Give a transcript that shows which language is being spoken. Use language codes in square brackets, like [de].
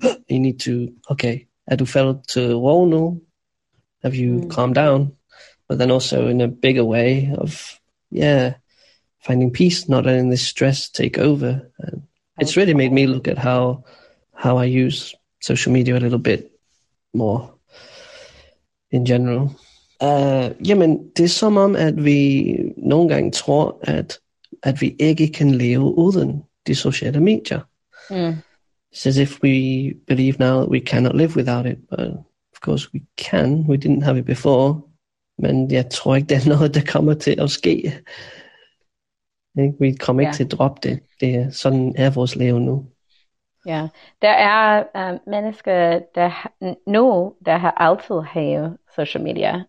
[en] You need to, [da] er du falder til ro nu? [en] Have you calmed down? But then also in a bigger way of, finding peace, not letting this stress take over. And it's really made me look at how I use social media a little bit more in general. [da] Jamen, det er som om, at vi nogle gange tror, at vi ikke kan leve uden de sociale medier. [en] It's as if we believe now that we cannot live without it. But of course we can. We didn't have it before. [da] Men jeg tror ikke, det er noget, der kommer til at ske. Vi kommer ikke til at droppe det. Det er, sådan er vores liv nu. Ja, der er mennesker, der har altid haft social media.